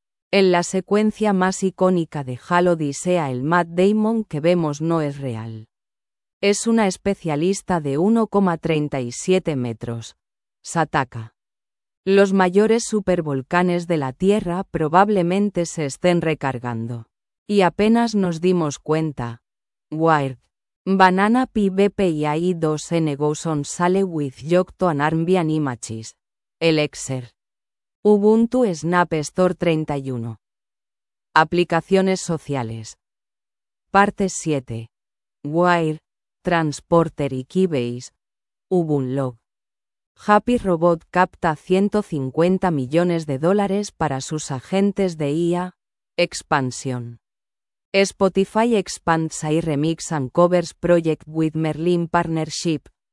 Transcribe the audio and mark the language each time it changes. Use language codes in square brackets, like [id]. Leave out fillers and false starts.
[es] En la secuencia más icónica de Halo Odisea, el Matt Damon que vemos no es real. Es una especialista de 1,37 metros. Sataka. Los mayores supervolcanes de la Tierra probablemente se estén recargando. Y apenas nos dimos cuenta. Wired. [en] Banana PBPI 2N goes on sale with Yocto and Armbian Images. Elixir. Ubuntu Snap Store 31. [es] Aplicaciones sociales. Parte 7. Wired. Transporter y Keybase. Ubunlog. Happy Robot capta $150 millones para sus agentes de IA. Expansión. [en] Spotify expands AI Remix and Covers Project with Merlin Partnership.